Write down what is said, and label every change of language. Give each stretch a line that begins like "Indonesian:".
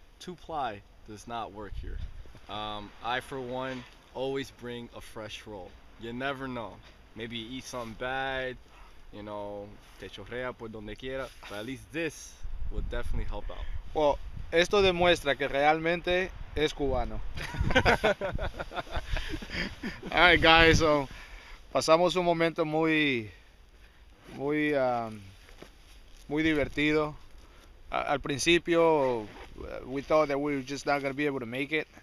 English: Two ply does not work here. I, for one, always bring a fresh roll. You never know. Maybe you eat something bad, you know,
Spanish: te chorrea por donde quiera,
English: but at least this will definitely help out.
Spanish: Well, esto demuestra que realmente es cubano.
English: All right, guys, so
Spanish: pasamos un momento muy, muy, muy divertido. Al principio,
English: we thought that we were just not going to be able to make it.